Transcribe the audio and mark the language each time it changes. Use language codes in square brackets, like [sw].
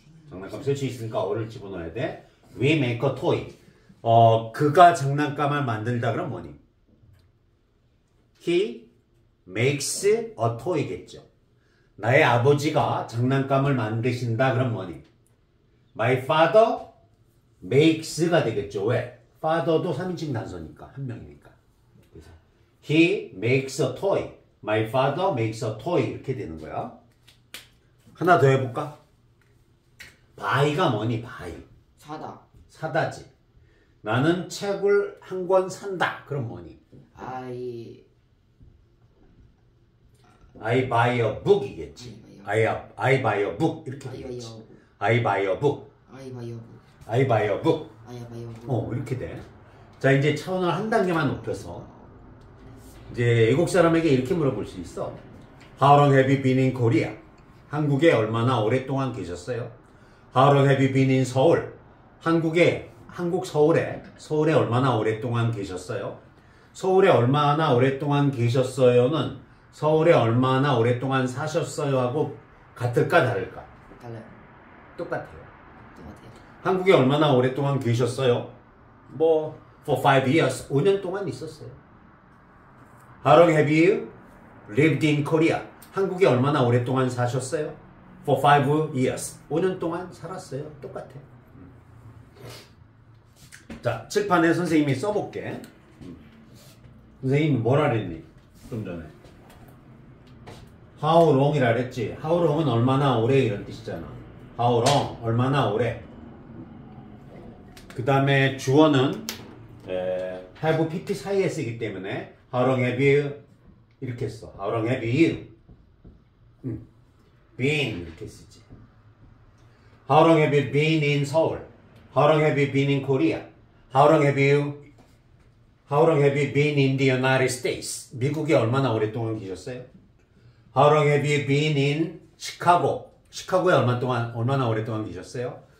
[ko] 장난감 쓸수 있으니까 어를 집어넣어야 돼. [en] We make a toy. [ko] 그가 장난감을 만든다 그럼 뭐니? [en] He makes a toy겠죠. [ko] 나의 아버지가 장난감을 만드신다 그럼 뭐니? [en] My father makes가 되겠죠. [ko] 왜? father도 3인칭 단서니까, 한 명이니까. [en] 그래서 he makes a toy. My father makes a toy [ko] 이렇게 되는 거야. 하나 더 해볼까? buy가 뭐니? buy. 사다. 사다지. 나는 책을 한권 산다. 그럼 뭐니? [en] I buy a book 이겠지. I buy a book 이렇게 되겠지. I buy a book. I buy a book. I buy a book. I buy a book. [ko] 이렇게 돼. 자, 이제 차원을 한 단계만 높여서 이제 외국 사람에게 이렇게 물어볼 수 있어. [en] How long have you been in Korea? [ko] 한국에 얼마나 오랫동안 계셨어요? [en] How long have you been in Seoul? [ko] 한국 서울에 얼마나 오랫동안 계셨어요? 서울에 얼마나 오랫동안 계셨어요는 서울에 얼마나 오랫동안 사셨어요하고 같을까 다를까? 똑같아요. 한국에 얼마나 오랫동안 계셨어요? 뭐 [en] For 5 years, [ko] 5년 동안 있었어요. [en] How long have you lived in Korea? [ko] 한국에 얼마나 오랫동안 사셨어요? [en] For 5 years, [ko] 5년 동안 살았어요. 똑같아요. 자, 칠판에 선생님이 써볼게. 선생님이 뭐라 그랬니? 좀 전에. How long이라 그랬지? How long은 얼마나 오래? 이런 뜻이잖아. How long, 얼마나 오래? 그 다음에 주어는? have PT 사이에 쓰기 때문에 [en] how long have you [ko] 이렇게 써. [en] how long have you been 이렇게 쓰지. How long have you been in Seoul? How long have you been in Korea? How long have you been in the United States? [ko] 미국에 얼마나 오랫동안 계셨어요? [en] How long have you been in Chicago? [ko] 시카고에 얼마나 오랫동안 계셨어요?